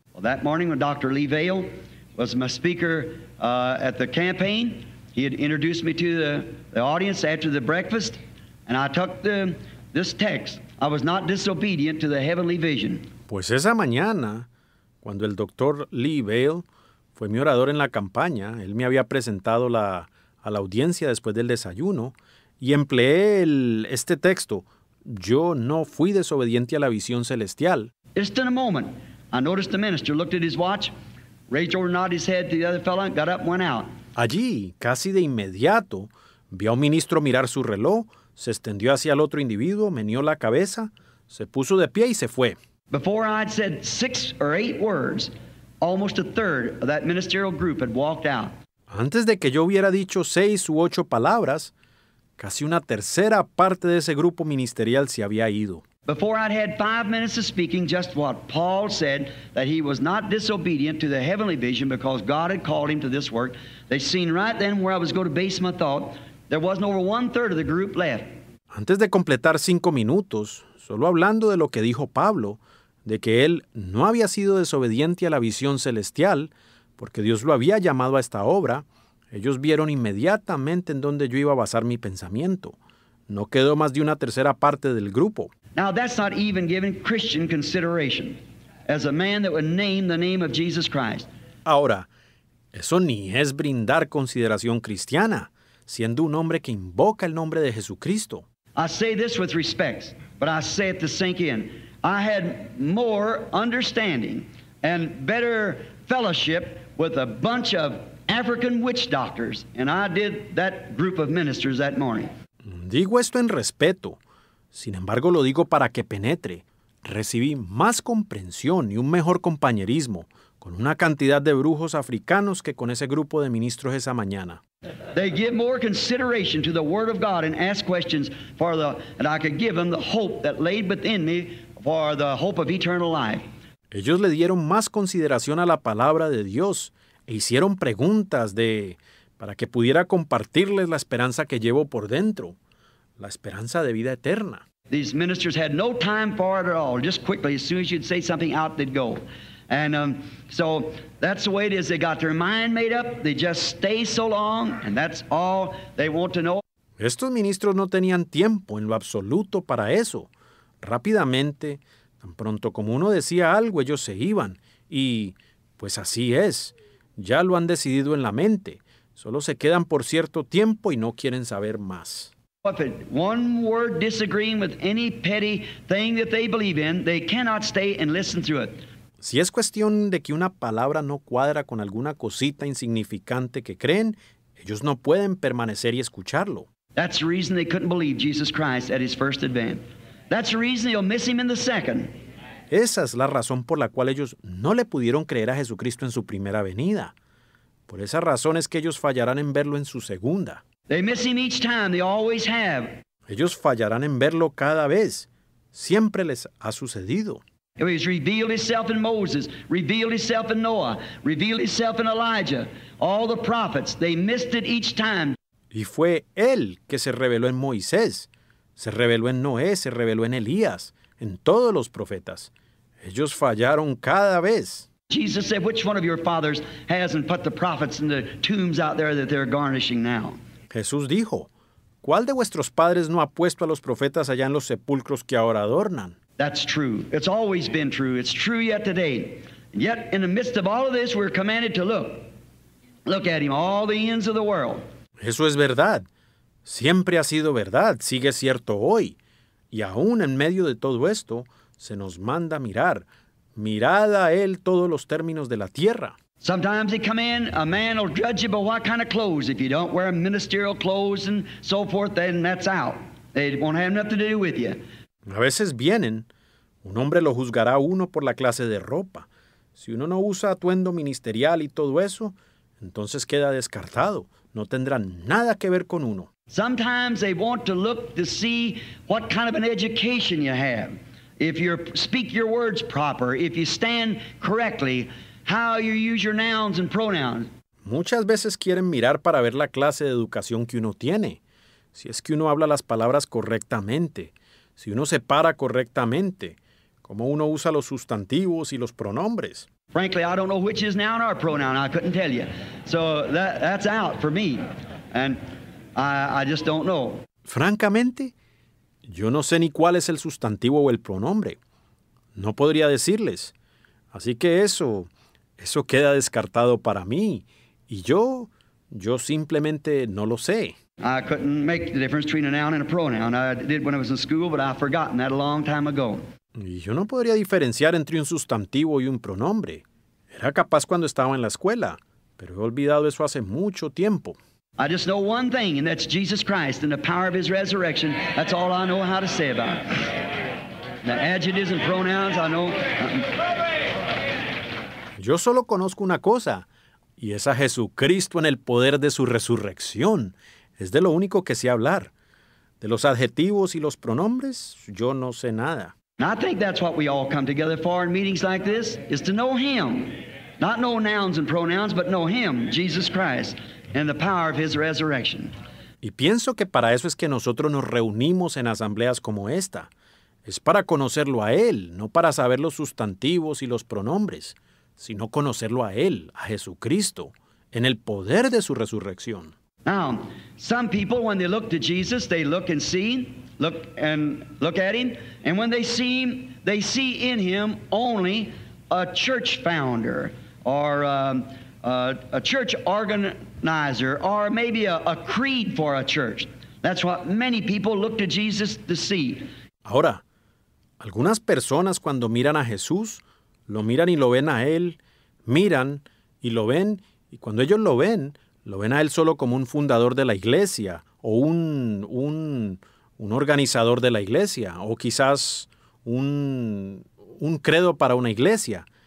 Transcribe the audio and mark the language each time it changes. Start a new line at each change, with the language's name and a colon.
English: Well, that morning when Dr. Lee Vail was my speaker at the campaign, he had introduced me to the audience after the breakfast, and I took this text. I was not disobedient to the heavenly vision.
Spanish: Pues esa mañana, cuando el Dr. Lee Vail fue mi orador en la campaña, él me había presentado a la audiencia después del desayuno, y empleé este texto. Yo no fui desobediente a la visión celestial.
English: Just in a moment, I noticed the minister looked at his watch, raised over nodded his head to the other fellow, got up and went out.
Spanish: Allí, casi de inmediato, vi a un ministro mirar su reloj, se extendió hacia el otro individuo, meneó la cabeza, se puso de pie y se fue.
English: Before I had said six or eight words, almost a third of that ministerial group had walked out.
Spanish: Antes de que yo hubiera dicho seis u ocho palabras, casi una tercera parte de ese grupo ministerial se había ido.
English: Before I had 5 minutes of speaking, just what Paul said, that he was not disobedient to the heavenly vision because God had called him to this work, they seen right then where I was going to base my thought. There wasn't over one third of the group left.
Spanish: Antes de completar 5 minutos, solo hablando de lo que dijo Pablo, de que él no había sido desobediente a la visión celestial, porque Dios lo había llamado a esta obra, ellos vieron inmediatamente en dónde yo iba a basar mi pensamiento. No quedó más de una tercera parte del grupo.
English: Now that's not even given Christian consideration, as a man that would name the name of Jesus Christ.
Spanish: Ahora, eso ni es brindar consideración cristiana, siendo un hombre que invoca el nombre de Jesucristo.
English: I say this with respect, but I say it to sink in. I had more understanding and better fellowship with a bunch of African witch doctors, and I did that group of ministers that morning.
Spanish: Digo esto en respeto. Sin embargo, lo digo para que penetre. Recibí más comprensión y un mejor compañerismo con una cantidad de brujos africanos que con ese grupo de ministros esa mañana.
English: They give more consideration to the word of God and ask questions for the and I could give them the hope that laid within me for the hope of eternal life.
Spanish: Ellos le dieron más consideración a la palabra de Dios e hicieron preguntas de para que pudiera compartirles la esperanza que llevo por dentro, la esperanza de vida eterna.
English: These ministers had no time for it at all. Just quickly, as soon as you'd say something, out they'd go. And so that's the way it is. They got their mind made up. They just stay so long, and that's all they want to know.
Spanish: Estos ministros no tenían tiempo en lo absoluto para eso. Rápidamente, tan pronto como uno decía algo, ellos se iban. Y, pues así es. Ya lo han decidido en la mente. Solo se quedan por cierto tiempo y no quieren saber más.
English: If one word disagreeing with any petty thing that they believe in, they cannot stay and listen to it.
Spanish: Si es cuestión de que una palabra no cuadra con alguna cosita insignificante que creen, ellos no pueden permanecer y escucharlo.
English: That's the reason they couldn't believe Jesus Christ at his first advent. That's the reason they'll miss him in the second.
Spanish: Esa es la razón por la cual ellos no le pudieron creer a Jesucristo en su primera venida. Por esa razón es que ellos fallarán en verlo en su segunda.
English: They miss him each time. They always have.
Spanish: Ellos fallarán en verlo cada vez. Siempre les ha sucedido.
English: He's revealed himself in Moses, revealed himself in Noah, revealed himself in Elijah, all the prophets. They missed it each time.
Spanish: Y fue él que se reveló en Moisés, se reveló en Noé, se reveló en Elías, en todos los profetas. Ellos fallaron cada vez.
English: Jesus said, "Which one of your fathers hasn't put the prophets in the tombs out there that they're garnishing now?"
Spanish: Jesús dijo, ¿cuál de vuestros padres no ha puesto a los profetas allá en los sepulcros que ahora adornan?
English: That's true. It's always been true. It's true yet today. And yet, in the midst of all of this, we're commanded to look. Look at him, all the ends of the world.
Spanish: Eso es verdad. Siempre ha sido verdad. Sigue cierto hoy. Y aún en medio de todo esto, se nos manda mirar. Mirad a él todos los términos de la tierra.
English: Sometimes they come in, a man will judge you by what kind of clothes. If you don't wear ministerial clothes and so forth, then that's out. They won't have nothing to do with you.
Spanish: A veces vienen, un hombre lo juzgará a uno por la clase de ropa. Si uno no usa atuendo ministerial y todo eso, entonces queda descartado. No tendrán nada que ver con uno.
English: Sometimes they want to look to see what kind of an education you have. If you speak your words proper, if you stand correctly, how you use your nouns and pronouns.
Spanish: Muchas veces quieren mirar para ver la clase de educación que uno tiene. Si es que uno habla las palabras correctamente. Si uno se para correctamente. Cómo uno usa los sustantivos y los pronombres.
English: Frankly, I don't know which is noun or pronoun. I couldn't tell you. So that's out for me. And I just don't know.
Spanish: Francamente, yo no sé ni cuál es el sustantivo o el pronombre. No podría decirles. Así que eso... eso queda descartado para mí. Y yo simplemente no lo sé.
English: I couldn't make the difference between a noun and a pronoun. I did when I was in school, but I've forgotten that a long time ago.
Spanish: Y yo no podría diferenciar entre un sustantivo y un pronombre. Era capaz cuando estaba en la escuela, pero he olvidado eso hace mucho tiempo.
English: I just know one thing, and that's Jesus Christ and the power of his resurrection. That's all I know how to say about it. The adjectives and pronouns, I know...
Spanish: Yo solo conozco una cosa, y es a Jesucristo en el poder de su resurrección. Es de lo único que sé hablar. De los adjetivos y los pronombres, yo no sé nada.
English: I think that's what we all come together for in meetings like this, is to know him. Not know nouns and pronouns, but know him, Jesus Christ, and the power of his resurrection.
Spanish: Y pienso que para eso es que nosotros nos reunimos en asambleas como esta. Es para conocerlo a él, no para saber los sustantivos y los pronombres, sino conocerlo a él, a Jesucristo, en el poder de su resurrección.
English: Now, some people, when they look to Jesus, they look and see, look and look at him, and when they see in him only a church founder, or a church organizer, or maybe a creed for a church. That's what many people look to Jesus to see.
Spanish: Ahora, algunas personas cuando miran a Jesús, lo miran y lo ven a él, miran y lo ven Y cuando ellos lo ven a él solo como un fundador de la iglesia o un organizador de la iglesia o quizás un credo para una iglesia.